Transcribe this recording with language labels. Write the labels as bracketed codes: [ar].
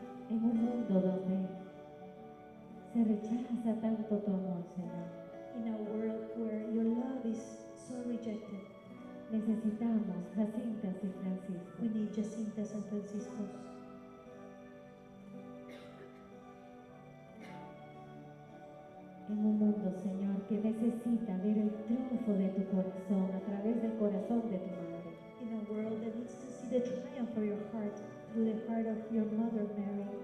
[es] En un mundo donde se rechaza tanto tu amor, Señor. [en] In a world where your love is so rejected, [es] necesitamos Jacintas y Franciscos. [en] We need Jacintas and Franciscos. [es] En un mundo, Señor, que necesita ver el triunfo de tu corazón a través del corazón de tu madre. [en] In a world that needs to see the triumph of your heart through the heart of your mother, Mary.